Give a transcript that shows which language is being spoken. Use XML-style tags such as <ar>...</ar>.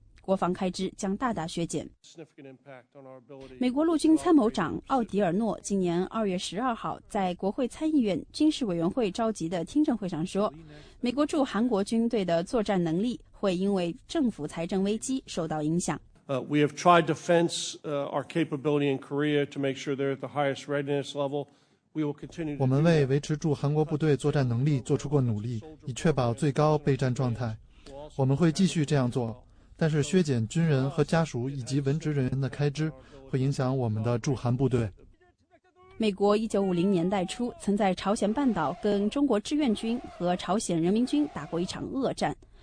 <zh>国防开支将大大削减。美国陆军参谋长奥迪尔诺今年2月12号在国会参议院军事委员会召集的听证会上说，美国驻韩国军队的作战能力会因为政府财政危机受到影响。</zh> <en>We have tried to fence our capability in Korea to make sure they're at the highest readiness level. We will continue.</en> <zh>我们为维持住韩国部队作战能力做出过努力，以确保最高备战状态。我们会继续这样做，但是削减军人和家属以及文职人员的开支，会影响我们的驻韩部队。美国1950年代初曾在朝鲜半岛跟中国志愿军和朝鲜人民军打过一场恶战。</zh>